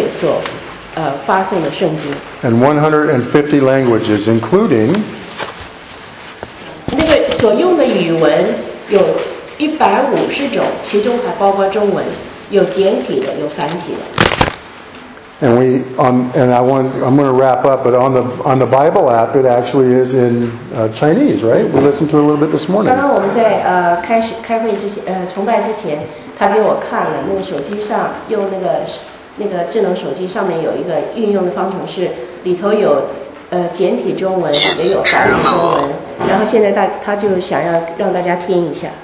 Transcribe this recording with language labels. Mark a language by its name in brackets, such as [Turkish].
[Chinese] 在这个图里头，你可以看到一个全球的地图，超过200个国家都得到基甸会所发送的圣经。 [English] And 150 languages, including. [Chinese] 那个所用的语文有150种，其中还包括中文，有简体的，有繁体的。 [English] And we and I want I'm going to wrap up, but on the Bible app, it actually is in Chinese, right? We listened to it a little bit this morning. [Chinese] 刚刚我们在开会之前，他给我看了那个手机上用那个智能手机上面有一个运用的方程式，里头有简体中文，也有繁体中文。然后现在他就想要让大家听一下。